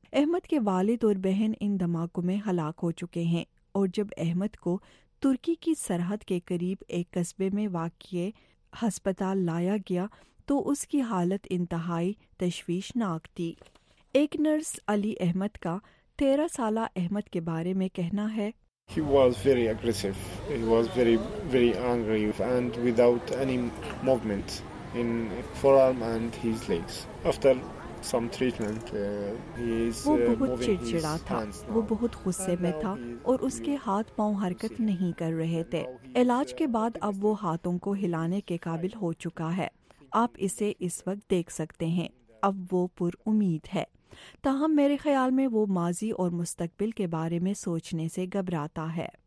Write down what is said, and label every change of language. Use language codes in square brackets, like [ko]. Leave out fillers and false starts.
[ur] احمد کے والد اور بہن ان دھماکوں میں ہلاک ہو چکے ہیں, اور جب احمد کو ترکی کی سرحد کے قریب ایک قصبے میں واقع ہسپتال لایا گیا تو اس کی حالت انتہائی تشویشناک تھی. ایک نرس علی احمد کا 13 سالہ احمد کے بارے میں کہنا ہے. [en] He was very aggressive. He was very, very angry and without any movement in forearm and his legs. After some treatment, [ur] وہ بہت چڑچڑا تھا. وہ بہت غصے میں تھا اور اس کے ہاتھ پاؤں حرکت نہیں کر رہے تھے. علاج کے بعد اب وہ ہاتھوں کو ہلانے کے قابل ہو چکا ہے. آپ اسے اس وقت دیکھ سکتے ہیں. اب وہ پر امید ہے. تاہم میرے خیال میں وہ ماضی اور مستقبل کے بارے میں سوچنے سے گھبراتا ہے.